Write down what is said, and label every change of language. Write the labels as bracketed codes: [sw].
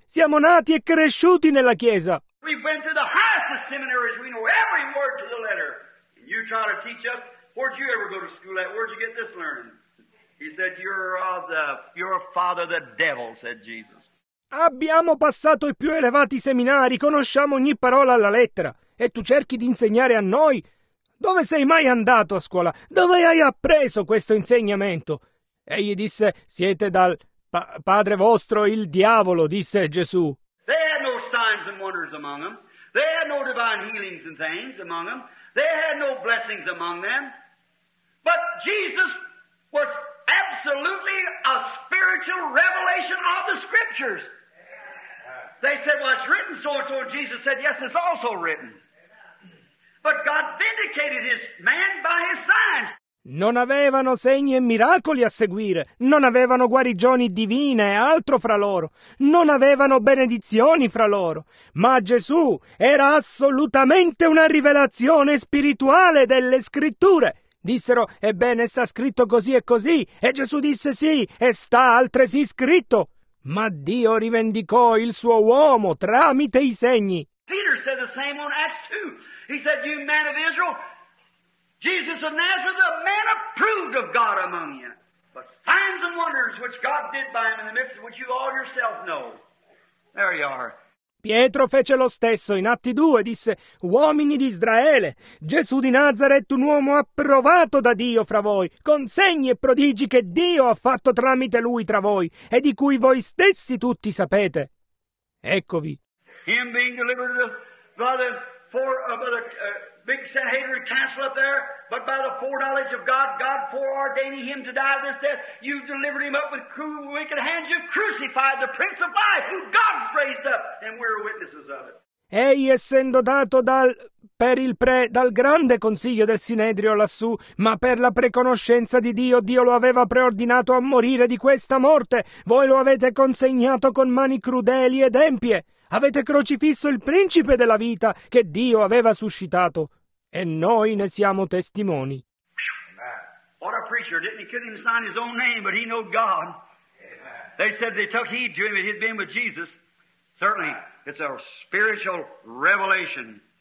[it] Siamo nati e cresciuti nella Chiesa! [en] We went to the highest of seminaries, we know every word to the letter. And you try to teach us, where'd you ever go to school at? Where'd you get this learning? He said, you're a father of the devil, said Jesus. [it] Abbiamo passato i più elevati seminari, conosciamo ogni parola alla lettera. E tu cerchi di insegnare a noi? Dove sei mai andato a scuola? Dove hai appreso questo insegnamento? Egli disse, siete dal padre vostro, il diavolo, disse Gesù. [en] They had no signs and wonders among them. They had no divine healings and things among them. They had no blessings among them. But Jesus was absolutely a spiritual revelation of the scriptures. They said, well, it's written so and so. Jesus said, yes, it's also written. But God vindicated his man by his signs. [it] Non avevano segni e miracoli a seguire. Non avevano guarigioni divine e altro fra loro. Non avevano benedizioni fra loro. Ma Gesù era assolutamente una rivelazione spirituale delle scritture. Dissero, ebbene, sta scritto così e così. E Gesù disse, sì, e sta altresì scritto. Ma Dio rivendicò il suo uomo tramite i segni. [en] Peter said the same on Acts 2. He said, you man of Israel, Jesus of Nazareth, a man approved of God among you. but signs and wonders which God did by him in the midst of which you all yourself know. There you are. [it] Pietro fece lo stesso in Atti 2 e disse: Uomini di Israele, Gesù di Nazareth, un uomo approvato da Dio fra voi, con segni e prodigi che Dio ha fatto tramite lui tra voi, e di cui voi stessi tutti sapete. Eccovi. [en] Him being delivered by the four by the big Sanhedrin council up there, but by the foreknowledge of God, God foreordaining him to die this death, you've delivered him up with cruel, wicked hands. You've crucified the Prince of Life, who God's raised up, and we're witnesses of it. [it] Egli essendo dato dal grande consiglio del Sinedrio lassù, ma per la preconoscenza di Dio, Dio lo aveva preordinato a morire di questa morte. Voi lo avete consegnato con mani crudeli ed empie. Avete crocifisso il principe della vita che Dio aveva suscitato. E noi ne siamo testimoni. [en] What a preacher, didn't he? Couldn't even sign his own name, but he knew God. They said they took heed to him that he'd been with Jesus. Certainly, it's a spiritual revelation.